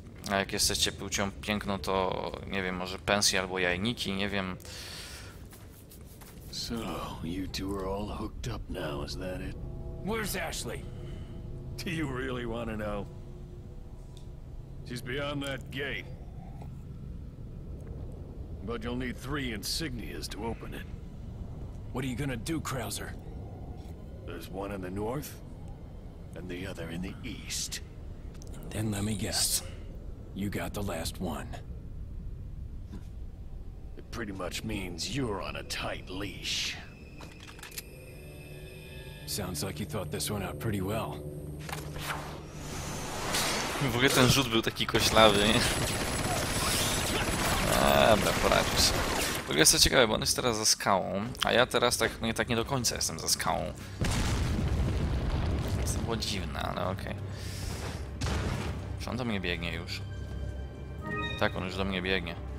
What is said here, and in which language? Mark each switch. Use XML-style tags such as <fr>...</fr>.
<pl>A jak jesteście płcią piękną, to nie wiem, może pensje albo jajniki, nie wiem.</pl> <en>So, you two are all hooked up now, is that it? Where's Ashley? Do you really want to know? She's beyond that gate. But you'll need three insignias to open it. What are you gonna do, Krauser? There's one in the north, and the other in the east. Then let me guess. You got the last one. Pretty much means you're on a tight leash. Sounds like you thought this one out pretty well.</en> <pl>W ogóle ten rzut był taki koślawy, nie? Dobra, poradził się. W ogóle jest to ciekawe, bo on jest teraz za skałą, a ja teraz tak nie do końca jestem za skałą. To było dziwne, ale okej. Czy on do mnie biegnie już? Tak, on już do mnie biegnie.</pl>